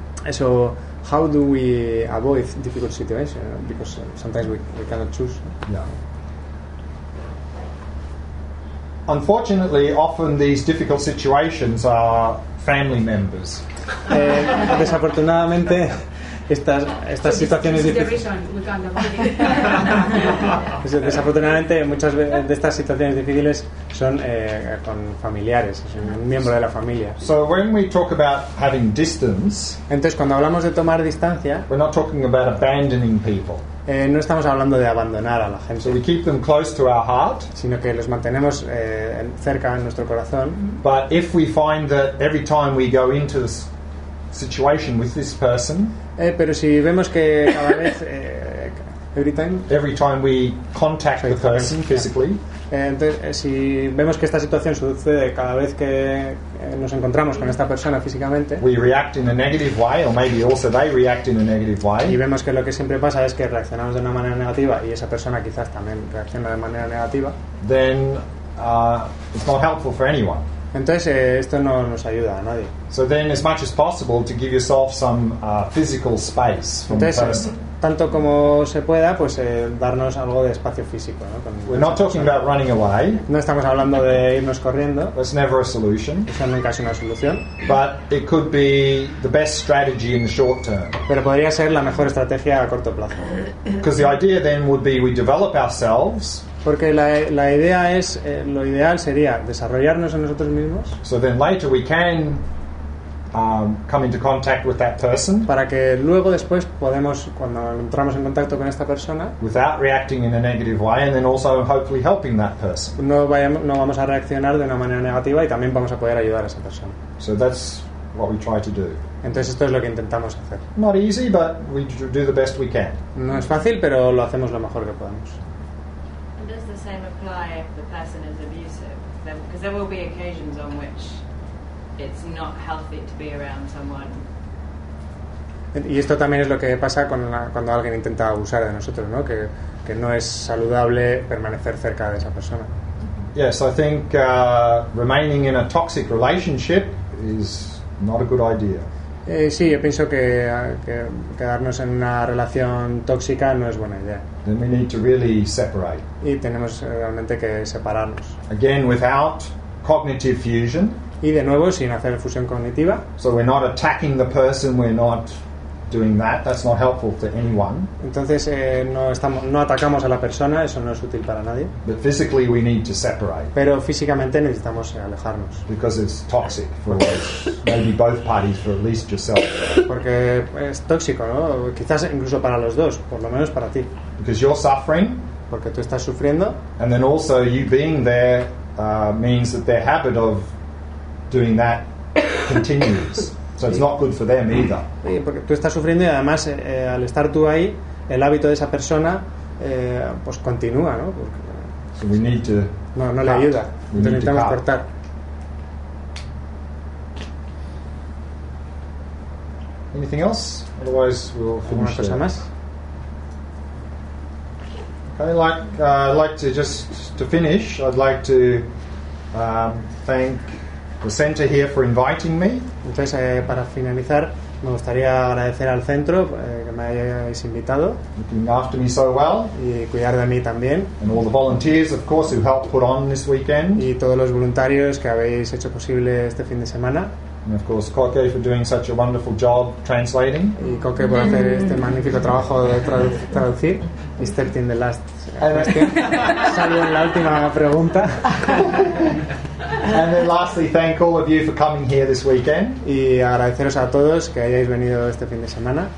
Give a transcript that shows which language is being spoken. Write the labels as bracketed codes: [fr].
[en] So how do we avoid difficult situations? Because sometimes we cannot choose. Yeah. Unfortunately, often these difficult situations are family members. [es] Desafortunadamente, estas situaciones difíciles. Desafortunadamente, muchas de estas situaciones difíciles son con familiares, es un miembro de la familia. [en] So when we talk about having distance, [es] entonces cuando hablamos de tomar distancia, [en] we're not talking about abandoning people. [es] No estamos hablando de abandonar a la gente, [en] so we keep them close to our heart, [es] sino que los mantenemos cerca en nuestro corazón. [en] But if we find that every time we go into this situation with this person, [es] pero si vemos que cada vez [en] every time we contact the person physically, [es] si vemos que esta situación sucede cada vez que nos encontramos con esta persona físicamente, [en] we react in a negative way, or maybe also they react in a negative way, [es] y vemos que lo que siempre pasa es que reaccionamos de una manera negativa y esa persona quizás también reacciona de manera negativa, [en] then it's not helpful for anyone. [es] Entonces esto no nos ayuda a nadie. [en] So then as much as possible to give yourself some physical space from [es] entonces, [en] the person. [es] Tanto como se pueda, pues darnos algo de espacio físico, ¿no? [en] We're not talking about running away. [es] No estamos hablando de irnos corriendo. [en] That's never a solution. [es] Eso nunca es una solución. [en] But it could be the best strategy in the short term. [es] Pero podría ser la mejor estrategia a corto plazo. [en] Because the idea then would be we develop ourselves. [es] Porque la idea es lo ideal sería desarrollarnos a nosotros mismos. [en] So then later we can come into contact with that person, [es] para que luego después podemos, cuando entramos en contacto con esta persona, [en] without reacting in a negative way, and then also hopefully helping that person. [es] No vamos a reaccionar de una manera negativa y también vamos a poder ayudar a esa persona. [en] So that's what we try to do. [es] Entonces esto es lo que intentamos hacer. [en] Not easy, but we do the best we can. [es] No es fácil, pero lo hacemos lo mejor que podemos. [en] Does the same apply if the person is abusive? Because there will be occasions on which it's not healthy to be around someone. [es] Y esto también es lo que pasa cuando alguien intenta abusar de nosotros, ¿no? Que no es saludable permanecer cerca de esa persona. [en] Yes, I think remaining in a toxic relationship is not a good idea. [es] Sí, yo pienso que quedarnos en una relación tóxica no es buena idea. [en] Then we need to really separate. [es] Y tenemos realmente que separarnos. [en] Again, without cognitive fusion. [es] Y de nuevo sin hacer fusión cognitiva. [en] So we're not attacking the person, we're not doing that. That's not helpful to anyone. [es] Entonces no atacamos a la persona, eso no es útil para nadie. [en] But physically we need to separate. [es] Pero físicamente necesitamos alejarnos. [en] Because it's toxic for maybe both parties, for at least yourself. [es] Porque es tóxico, ¿no? Quizás incluso para los dos, por lo menos para ti. [en] Because you're suffering. [es] Porque tú estás sufriendo. [en] And then also you being there means that their habit of doing that continues. So it's not good for them either. [es] Sí, porque tú estás sufriendo y además al estar tú ahí, el hábito de esa persona pues continúa, ¿no? Porque, [en] so we need to [es] no le ayuda. Necesitamos cortar. [en] Anything else? Otherwise we'll finish. [es] ¿Alguna cosa más? [en] Okay, I'd like to just to finish. I'd like to thank the center here for inviting me. [es] Entonces, para finalizar, me gustaría agradecer al centro que me hayáis invitado. [en] Looking after me so well. [es] Y cuidar de mí también. [en] And all the volunteers, of course, who helped put on this weekend. [es] Y todos los voluntarios que habéis hecho posible este fin de semana. [en] And of course, Koke for doing such a wonderful job translating. [es] Y Koke por hacer este magnífico trabajo de traducir. [en] Y stepped in the last question. [es] Salió en la última pregunta. [en] And then lastly, thank all of you for coming here this weekend. [es] Y agradeceros a todos que hayáis venido este fin de semana.